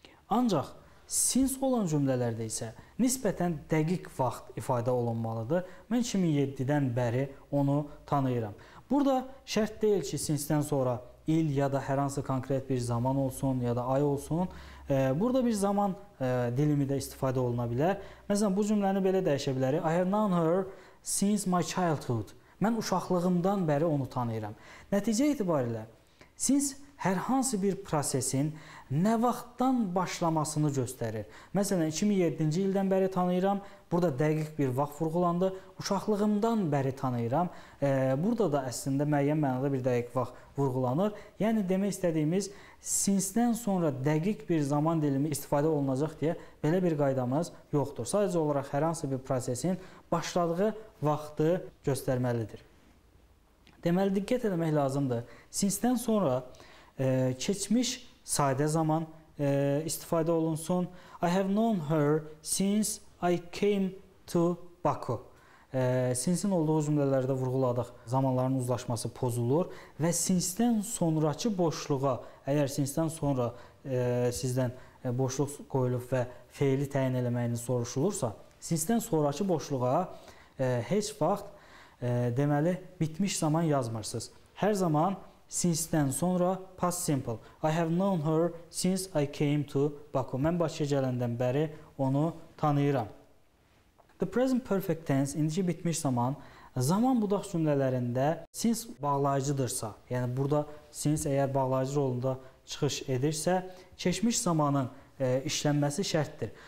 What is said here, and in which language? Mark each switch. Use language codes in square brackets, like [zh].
[az] Ancaq since olan cümlələrdə isə nisbətən dəqiq vaxt ifadə olunmalıdır. Mən 2007-dən bəri onu tanıyıram. Burada şərt deyil ki, since-dən sonra il ya da hər hansı konkret bir zaman olsun ya da ay olsun. Burada bir zaman dilimi də istifadə oluna bilər. Məsələn, bu cümləni belə dəyişə bilərik. [en] I have known her since my childhood. [az] Mən uşaqlığımdan bəri onu tanıyıram. Nəticə itibarilə, since hər hansı bir prosesin nə vaxtdan başlamasını göstərir. Məsələn, 2007-ci ildən bəri tanıyıram. Burada dəqiq bir vaxt vurğulandı. Uşaqlığımdan bəri tanıyıram. Burada da əslində müəyyən mənada bir dəqiq vaxt vurğulanır. Yəni, demək istədiyimiz, since-dən sonra dəqiq bir zaman dilimi istifadə olunacaq deyə belə bir qaydamız yoxdur. Sadəcə olaraq, hər hansı bir prosesin başladığı vaxtı göstərməlidir. Deməli, diqqət eləmək lazımdır. Since-dən sonra keçmiş sadə zaman istifadə olunsun. [en] I have known her since I came to Baku. [az] Since-in olduğu cümlələrdə vurğuladıq, zamanların uzlaşması pozulur və since-dən sonrakı boşluğa, əgər since-dən sonra sizdən boşluq qoyulub və feili təyin eləməyiniz soruşulursa, since-dən sonrakı boşluğa heç vaxt deməli, bitmiş zaman yazmırsınız. Hər zaman since-dən sonra past simple. [en] I have known her since I came to Baku. [az] Mən Bakıya gələndən bəri onu tanıyıram. The present perfect tense, indiki bitmiş zaman, zaman budaq cümlələrində since bağlayıcıdırsa, yəni burada since əgər bağlayıcı rolunda çıxış edirsə, keçmiş zamanın işlənməsi şərtdir.